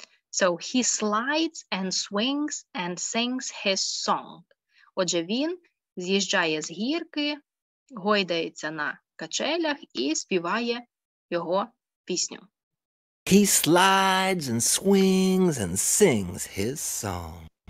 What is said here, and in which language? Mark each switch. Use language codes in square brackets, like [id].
[en] So, he slides and swings and sings his song. [uk] Отже, він з'їжджає з гірки, гойдається на качелях і співає його пісню. [en] He slides and swings and sings his song.